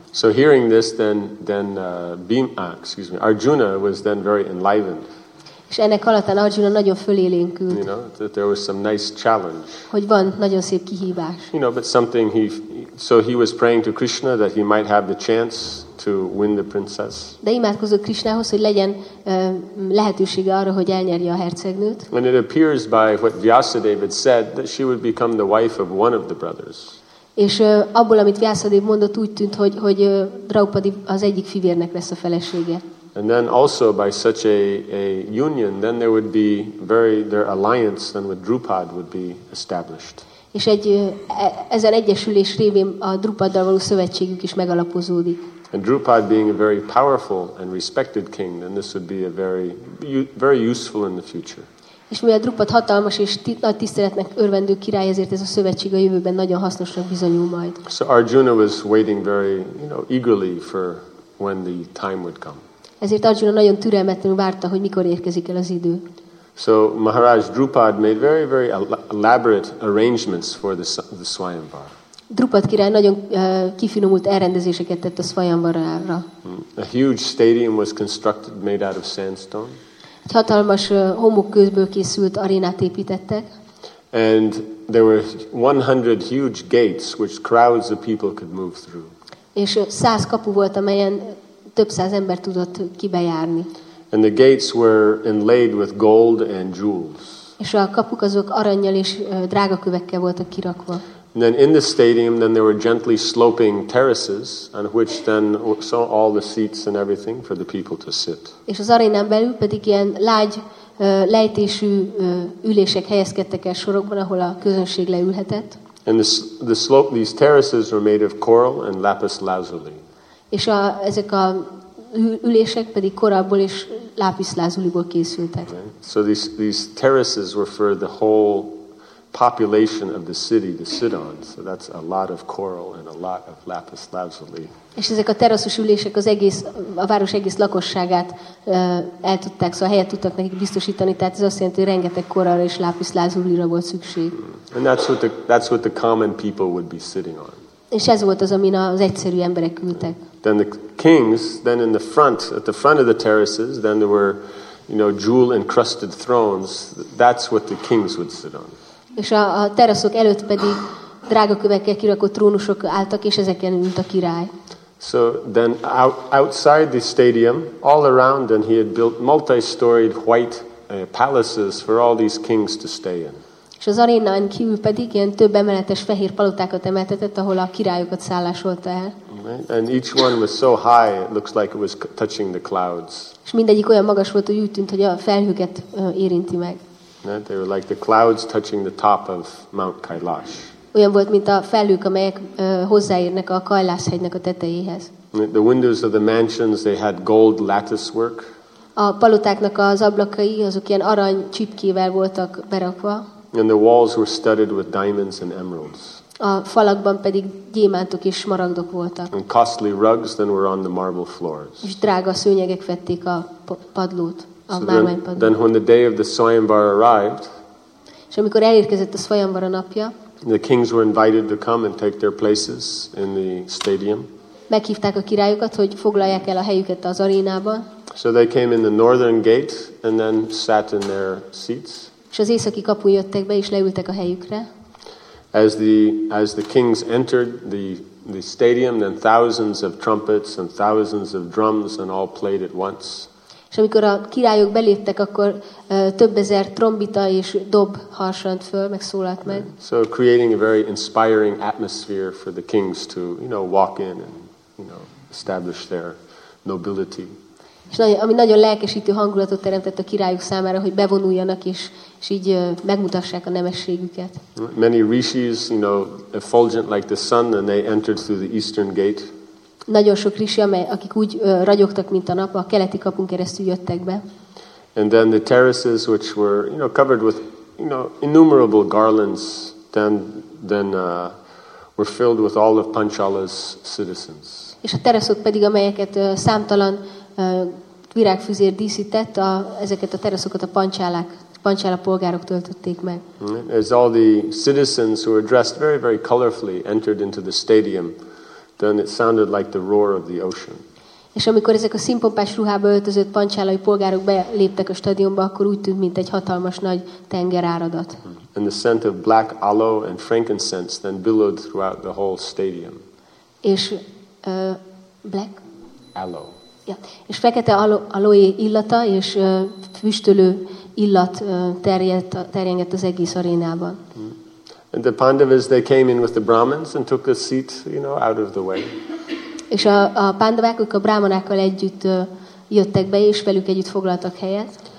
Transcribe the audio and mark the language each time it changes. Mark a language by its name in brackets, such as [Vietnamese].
[English] So hearing this, then Arjuna was then very enlivened. [Hungarian] És ennek alatán Arjuna nagyon fölélénkült. [English] You know, that there was some nice challenge. [Hungarian] Hogy van nagyon szép kihívás. [English] You know, but something he, so he was praying to Krishna that he might have the chance to win the princess. [Hungarian] De imádkozott Krishnához, hogy legyen lehetősége arra, hogy elnyerje a hercegnőt. [English] When it appears by what Vyasadeva said that she would become the wife of one of the brothers. [Hungarian] És abból, amit Vyasadeva mondott, úgy tűnt, hogy Draupadi az egyik fivérnek lesz a felesége. [English] And then also by such a union, then there would be very their alliance then with Drupad would be established. [Hungarian] És egy ezen egyesülés révén a Drupaddal való szövetségük is megalapozódik. [English] And Drupad being a very powerful and respected king, then this would be a very very useful in the future. [Hungarian] És mivel Drupad hatalmas és nagy tiszteletnek örvendő király, ezért ez a szövetség a jövőben nagyon hasznosnak bizonyul majd. [English] So Arjuna was waiting very, you know, eagerly for when the time would come. [Hungarian] Ezért Arjuna nagyon türelmetlenül várta, hogy mikor érkezik el az idő. [English] So Maharaj Drupad made very very elaborate arrangements for the Svayamvar. [Hungarian] Drupad király nagyon kifinomult elrendezéseket tett a Svayamvarára. [English] A huge stadium was constructed made out of sandstone. [Hungarian] Egy hatalmas homokkőből készült arénát építettek. [English] And there were 100 huge gates which crowds of people could move through. [Hungarian] És 100 kapu volt, amelyen több száz ember tudott kibejárni. [English] And the gates were inlaid with gold and jewels. [Hungarian] És a kapuk azok arannyal és drága kövekkel voltak kirakva. [English] And then in the stadium then there were gently sloping terraces on which then so all the seats and everything for the people to sit. [Hungarian] És az arénán belül pedig ilyen lágy lejtésű ülések helyezkedtek el sorokban, ahol a közönség leülhetett. [English] And the slope these terraces were made of coral and lapis lazuli. [Hungarian] És ezek a ülések pedig korallból és lápis lazuliból készültek. [English] Okay. So these terraces were for the whole population of the city to sit on, so that's a lot of coral and a lot of lapis lazuli. [Hungarian] És ezek a teraszos ülések az egész a város egész lakosságát el tudták, szóval helyet tudtak nekik biztosítani, tehát ez azt jelenti, hogy rengeteg korallra és lápis lazulira volt szükség. [English] And that's what the common people would be sitting on. [Hungarian] És ez volt az, amin az egyszerű emberek ültek. [English] Then the kings, then in the front, at the front of the terraces, then there were, you know, jewel encrusted thrones. That's what the kings would sit on. [Hungarian] És a teraszok előtt pedig drága kövekkel kirakott trónusok álltak, és ezeken ült a király. [English] So then outside the stadium, all around, and he had built multi-storied white palaces for all these kings to stay in. [Hungarian] És az arénán kívül pedig ilyen több emeletes fehér palotákat emeltetett, ahol a királyokat szállásolta el. [English] And each one was so high, it looks like it was touching the clouds. [Hungarian] És mindegyik olyan magas volt, hogy úgy tűnt, hogy a felhőket érinti meg. [English] Right? They were like the clouds touching the top of Mount Kailash. [Hungarian] Olyan volt, mint a felhők, amelyek hozzáérnek a Kailash hegynek a tetejéhez. [English] The windows of the mansions, they had gold lattice work. [Hungarian] A palotáknak az ablakai, azok ilyen arany csipkével voltak berakva. [English] And the walls were studded with diamonds and emeralds. [Hungarian] A falakban pedig gyémántok és smaragdok voltak. [English] And costly rugs then were on the marble floors. [Hungarian] És drága szőnyegek vették a padlót. [English] Then when the day of the Svayamvar arrived, [Hungarian] és amikor elérkezett a Svayamvara napja, [English] the kings were invited to come and take their places in the stadium. [Hungarian] Meghívták a királyokat, hogy foglalják el a helyüket az arénában. [English] So they came in the northern gate and then sat in their seats. [Hungarian] És az északi kapun jöttek be és leültek a helyükre. [English] As the kings entered the stadium, then thousands of trumpets and thousands of drums and all played at once. [Hungarian] És amikor a királyok beléptek, akkor több ezer trombita és dob harsant föl, meg szólalt meg. [English] So creating a very inspiring atmosphere for the kings to, you know, walk in and, you know, establish their nobility. [Hungarian] És nagyon, ami nagyon lelkesítő hangulatot teremtett a királyuk számára, hogy bevonuljanak és így megmutassák a nemességüket. [English] Many rishis, you know, effulgent like the sun, and they entered through the eastern gate. [Hungarian] Nagyon sok rishi, akik úgy ragyogtak mint a nap, a keleti kapun keresztül jöttek be. [English] And then the terraces, which were, you know, covered with, you know, innumerable garlands, then were filled with all of Panchala's citizens. [Hungarian] És a teraszok pedig, amelyeket számtalan virágfüzér díszített, ezeket a teraszokat a Panchala polgárok töltötték meg. [English] As all the citizens who were dressed very, very colorfully entered into the stadium, then it sounded like the roar of the ocean. [Hungarian] És amikor ezek a színpompás ruhába öltözött panchalai polgárok beléptek a stadionba, akkor úgy tűnt, mint egy hatalmas nagy tengeráradat. [English] And the scent of black aloe and frankincense then billowed throughout the whole stadium. [Hungarian] És black? [English] Aloe. [Hungarian] Ja. És fekete aloe illata és füstölő illat terjengett az egész arénában. [English] And the Pandavas, they came in with the Brahmins and took a seat, you know, out of the way. [Hungarian] És a pándavák, ők a brámanákkal együtt jöttek be, és velük együtt foglaltak helyet.